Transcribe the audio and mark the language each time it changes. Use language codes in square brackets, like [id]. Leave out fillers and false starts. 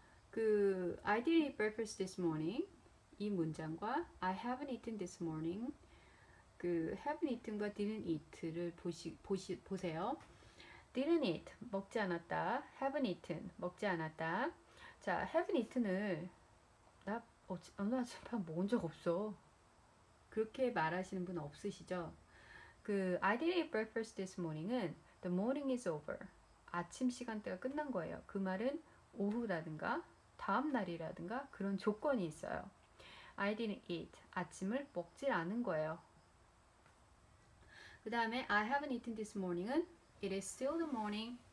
[en] 그 I didn't eat breakfast this morning [ko] 이 문장과 [en] I haven't eaten this morning 그 haven't eaten과 didn't eat를 [ko] 보세요. didn't eat 먹지 않았다. haven't eaten 먹지 않았다. 자, haven't eaten을 나밥 먹은 적 없어. 그렇게 말하시는 분 없으시죠? [en] 그 I didn't eat breakfast this morning은 the morning is over. [ko] 아침 시간대가 끝난 거예요. 그 말은 오후라든가 다음 날이라든가 그런 조건이 있어요. [en] I didn't eat. [ko] 아침을 먹지 않은 거예요. 그 다음에 [en] I haven't eaten this morning은 It is still the morning.